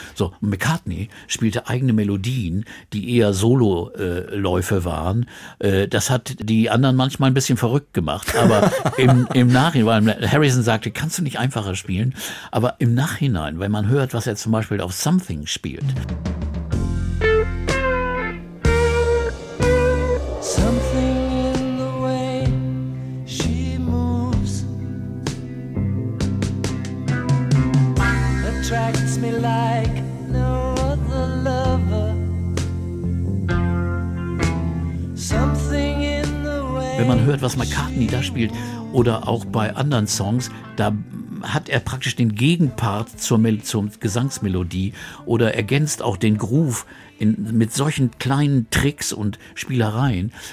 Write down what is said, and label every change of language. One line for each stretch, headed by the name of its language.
German: So, McCartney spielte eigene Melodien, die eher Solo-Läufe waren. Das hat die anderen manchmal ein bisschen verrückt gemacht, aber im Nachhinein, weil Harrison sagte, kannst du nicht einfacher spielen? Aber im Nachhinein, wenn man hört, was er zum Beispiel auf Something spielt.
English: Something in the way she moves attracts me like no other lover. Something in the way.
German: Wenn man hört, was McCartney da spielt, oder auch bei anderen Songs, da hat er praktisch den Gegenpart zur Gesangsmelodie oder ergänzt auch den Groove mit solchen kleinen Tricks und Spielereien.